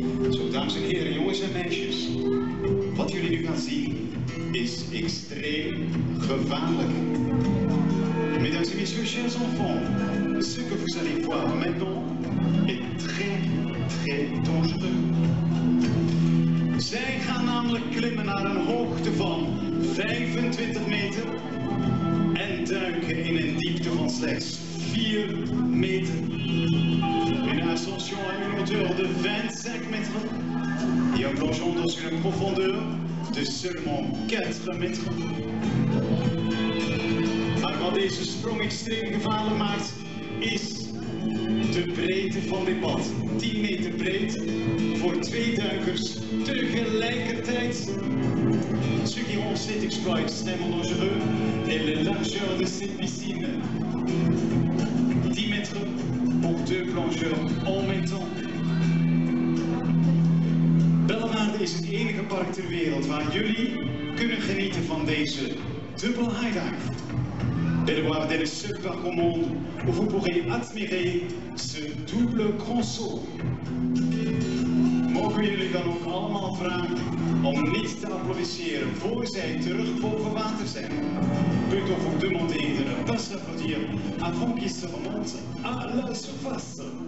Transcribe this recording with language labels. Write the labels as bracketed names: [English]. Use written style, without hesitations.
[Dutch] Zo, dames en heren, jongens en meisjes. Wat jullie nu gaan zien is extreem gevaarlijk. [French] Mesdames et messieurs, chers enfants, ce que vous allez voir maintenant est très, très dangereux. [Dutch] Zij gaan namelijk klimmen naar een hoogte van 25 meter en duiken in een diepte van slechts 4 meter. [French] Une ascension à une hauteur de 25 meter et un plongeon dans une profondeur de seulement 4 meter. [Dutch] Wat deze sprong extreem gevaarlijk maakt, is de breedte van dit pad. 10 meter breed voor twee duikers tegelijkertijd. [French] Ce qui rend cet exploit extrêmement dangereux est la largeur de cette piscine. 10 meter pour deux plongeurs en même temps. [Dutch] Bellevaarde is het enige park ter wereld waar jullie kunnen genieten van deze dubbel high dive. [French] Edward est le seul parc au monde où vous pourrez admirer ce double conso. [Dutch] Mogen jullie dan ook allemaal vragen om niet te applaudisseren voor zij terug boven water zijn. [French] Peut-on vous demander de ne pas applaudir avant qu'ils se remontent à la surface.